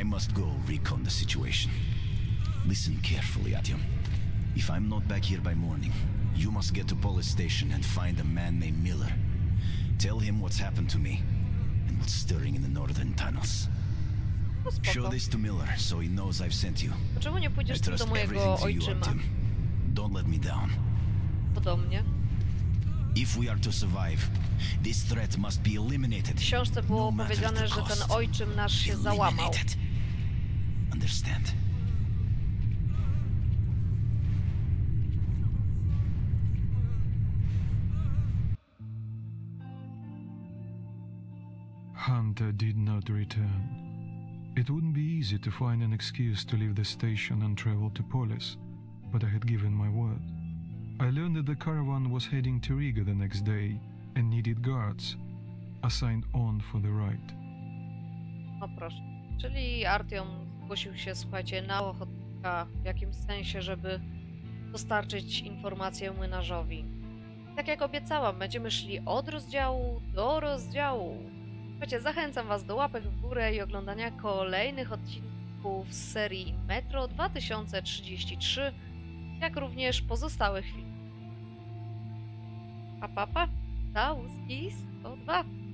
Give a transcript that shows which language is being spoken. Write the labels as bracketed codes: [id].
[en] I must go recon the situation. Listen carefully, Atium. If I'm not back here by morning, you must get to police station and find a man named Miller. Tell him what's happened to me and what's stirring in the northern tunnels. [pl] No, spoko. [en] Show this to Miller so he knows I've sent you. [pl] Czemu nie pójdziesz do mojego ojczyma? [en] Don't let me down. [pl] Podobnie. [en] If we are to survive, this threat must be eliminated. [pl] W książce było powiedziane, że ten ojczym nasz się załamał. [en] Understand? Hunter did not return. It wouldn't be easy to find an excuse to leave the station and travel to Polis, but I had given my word. I learned that the caravan was heading to Riga the next day and needed guards assigned on for the ride. [pl] No proszę. Czyli Artyom zgłosił się, słuchajcie, na ochotnika w jakimś sensie, żeby dostarczyć informację młynarzowi. Tak jak obiecałam, będziemy szli od rozdziału do rozdziału. Słuchajcie, zachęcam was do łapek w górę i oglądania kolejnych odcinków z serii Metro 2033, jak również pozostałych filmów. Pa, pa, pa. Załóżki 102.